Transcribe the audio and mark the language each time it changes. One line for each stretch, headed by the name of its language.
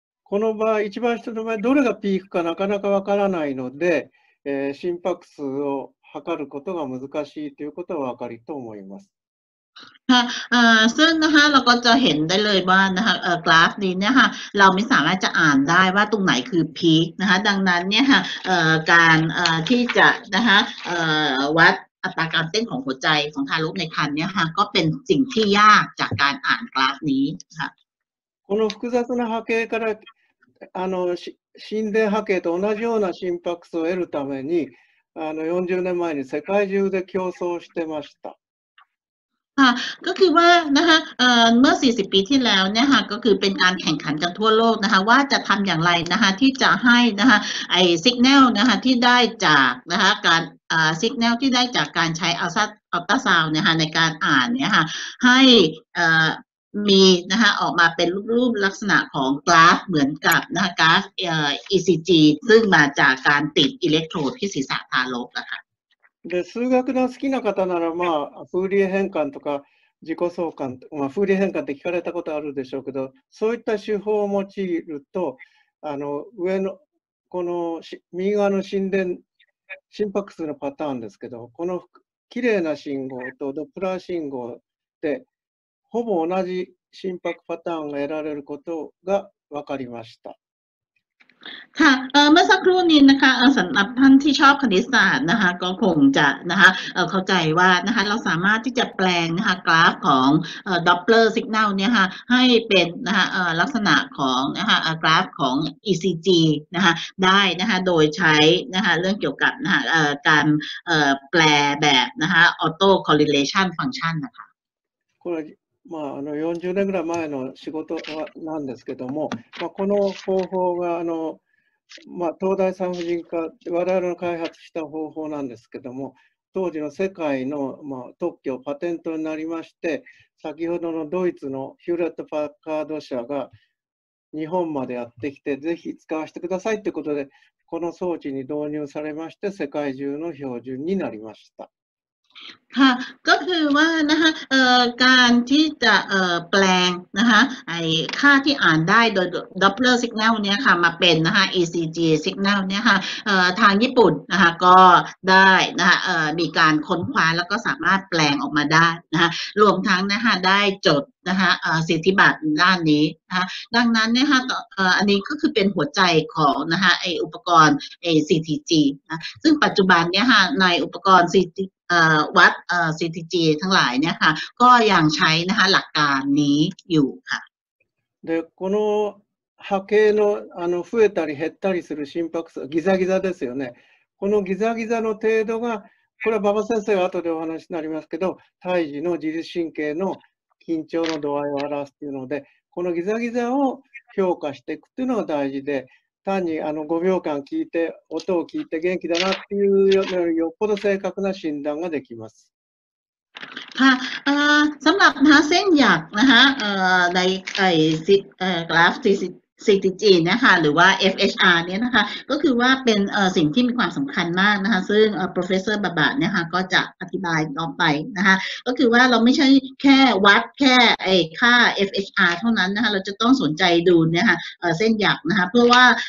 Japanese: この場合、一番下の場合、どれがピークかなかなかわからないので、心拍数を測ることが難しいということはわかりと思います。
Thai: ซึ่งนะคะเราก็จะเห็นได้เลยว่านะคะกราฟนี้เนี่ยค่ะเราไม่สามารถจะอ่านได้ว่าตรงไหนคือพีคนะคะดังนั้นเนี่ยค่ะการที่จะนะคะวัดอัตราการเต้นของหัวใจของทารกในครรภ์เนี่ยค่ะก็เป็นสิ่งที่ยากจากการอ่านกราฟนี้ค่ะ
Japanese: この複雑な波形からあの心電波形と同じような心拍数を得るためにあの40年前に世界中で競争してました
Thai: ก็คือว่านะคะเมื่อ40ปีที่แล้วเนี่ยค่ะก็คือเป็นการแข่งขันกันทั่วโลกนะคะว่าจะทำอย่างไรนะคะที่จะให้นะคะไอ้สัญญาณนะคะที่ได้จากนะคะการสัญญาณที่ได้จากการใช้อัลตราซาวด์นะคะในการอ่านเนี่ยค่ะให้มีนะคะออกมาเป็นรูปลักษณะของกราฟเหมือนกับนะคะกราฟECG ซึ่งมาจากการติดอิเล็กโทรดที่ศีรษะทารกนะคะ
Japanese: で数学の好きな方ならまあフーリエ変換とか自己相関、まあ、フーリエ変換って聞かれたことあるでしょうけどそういった手法を用いるとあの上のこの右側の心電心拍数のパターンですけどこの綺麗な信号とドップラー信号でほぼ同じ心拍パターンが得られることが分かりました。
Thai: ค่ะเมื่อสักครู่นี้นะคะสำหรับท่านที่ชอบคณิตศาสตร์นะคะก็คงจะนะคะเข้าใจว่านะคะเราสามารถที่จะแปลงนะคะกราฟของดอปเปอร์สัญญาณเนี่ยค่ะให้เป็นนะคะลักษณะของนะคะกราฟของ ECG นะคะได้นะคะโดยใช้นะคะเรื่องเกี่ยวกับนะคะการแปลแบบนะคะออโต้คอร์เรเลชันฟังก์ชันนะคะ
Japanese: まあ、あの40年ぐらい前の仕事はなんですけども、まあ、この方法があの、まあ、東大産婦人科で我々の開発した方法なんですけども当時の世界の、まあ、特許パテントになりまして先ほどのドイツのヒューレット・パッカード社が日本までやってきてぜひ使わせてくださいということでこの装置に導入されまして世界中の標準になりました。
Thai: ค่ะก็คือว่านะคะการที่จะแปลงนะคะไอค่าที่อ่านได้โดยดอปเปอร์สัญญาณเนี่ยค่ะมาเป็นนะคะ ECG สัญญาณเนี่ยค่ะ ทางญี่ปุ่นนะคะก็ได้นะคะมีการค้นคว้าแล้วก็สามารถแปลงออกมาได้นะคะรวมทั้งนะคะได้จดนะคะสิทธิบัตรด้านนี้นะคะดังนั้นเนี่ยค่ะอันนี้ก็คือเป็นหัวใจของนะคะไออุปกรณ์ไอ CTG นะซึ่งปัจจุบันเนี่ยค่ะในอุปกรณ์วัดCTG ทั้งหลายเนี่ยค่ะก็ยังใช้นะคะหลักการนี้อยู่ค่ะ
Japanese: でこの波形のあの増えたり減ったりする心拍数ギザギザですよね。このギザギザの程度がこれは馬場先生は後でお話になりますけど胎児の自律神経の緊張の度合いを表すというのでこのギザギザを評価していくというのが大事で単にあの5秒間聞いて音を聞いて元気だなっていうよりよっぽど正確な診断ができます。
Thai: ค่ะสำหรับนะคะเส้นหยักนะคะในไอซิกราฟCTG นะคะหรือว่า FHR เนี่ยนะคะก็คือว่าเป็นสิ่งที่มีความสำคัญมากนะคะซึ่งProfessor Baba เนี่ยค่ะก็จะอธิบายต่อไปนะคะก็คือว่าเราไม่ใช่แค่วัดแค่ไอค่า FHR เท่านั้นนะคะเราจะต้องสนใจดูนะคะเส้นหยักนะคะเพื่อว่า